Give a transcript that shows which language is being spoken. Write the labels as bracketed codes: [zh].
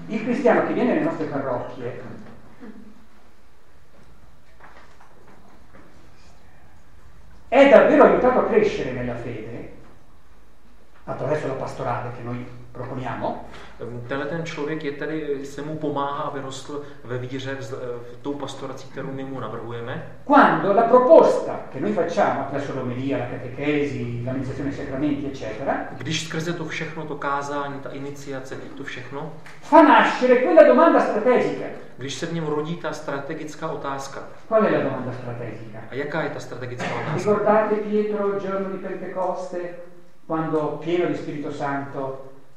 [it] Il cristiano che viene nelle nostre parrocchie è davvero aiutato a crescere nella fede attraverso la pastorale che noi proponiamo. [cs] Tenhle ten člověk je tady, se mu pomáhá, aby rostl ve víře v tou pastorací, kterou my mu navrhujeme. [it] Quando la proposta che noi facciamo attraverso l'omelia, la catechesi, l'iniziazione ai sacramenti, eccetera, [cs] když skrze to všechno, to kázání, ta iniciace, to všechno, [it] fa nascere quella domanda strategica. [cs] Když se v něm rodí ta strategická otázka. [it] Qual è la domanda strategica? [cs] A jaká je ta strategická otázka? [it] Ricordate Pietro il giorno di Pentecoste, quando pieno di Spirito Santo